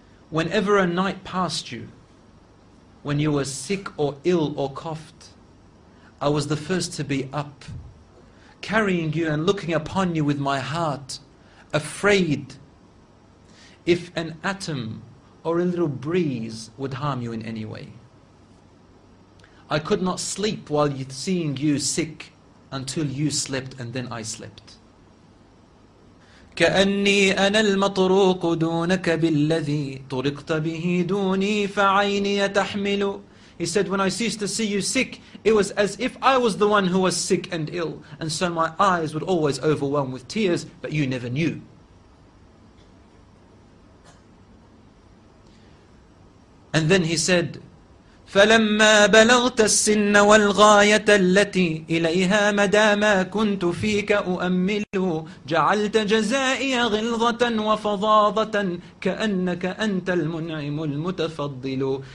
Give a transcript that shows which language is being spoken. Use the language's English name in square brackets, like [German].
[English] Whenever a night passed you, when you were sick or ill or coughed, I was the first to be up, carrying you and looking upon you with my heart, afraid if an atom or a little breeze would harm you in any way. I could not sleep while seeing you sick until you slept and then I slept. [Arabic] كأني أنا المطروق دونك بالذي طرقت به دوني فعيني تحمل. [English] He said, when I ceased to see you sick, it was as if I was the one who was sick and ill, and so my eyes would always overwhelm with tears, but you never knew. And then he said, [Arabic] فَلَمَّا بَلَغْتَ السِّنَّ وَالْغَايَةَ الَّتِي إِلَيْهَا مَدَى مَا كُنْتُ فِيكَ أُؤَمِّلُ جَعَلْتَ جَزَائِيَ غِلْظَةً وَفَضَاضَةً كَأَنَّكَ أَنْتَ الْمُنْعِمُ الْمُتَفَضِّلُ.